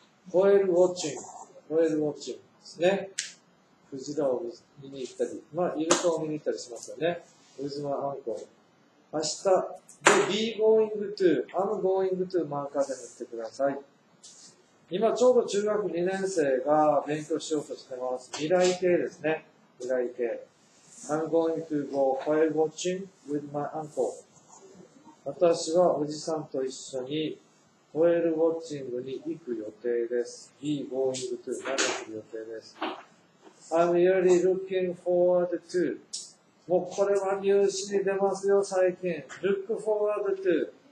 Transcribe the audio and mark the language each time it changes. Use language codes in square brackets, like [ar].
[ja] ホエールウォッチング。ホエールウォッチングですね。クジラを見に行ったり、まあ、イルカを見に行ったりしますよね。ウィズマアンコール。明日、で、 [en] Be going to, I'm going to [ja] マーカーで塗ってください。今ちょうど中学2年生が勉強しようとしてます。未来形ですね。未来形。 [en] I'm going to go whale watching with my uncle. [ja] 私はおじさんと一緒にホエールウォッチングに行く予定です。 [en] Be going to [ja] 何をする予定です。 [en] I'm really looking forward to. [ja] もうこれはニュースに出ますよ、最近。 [en] Look forward to.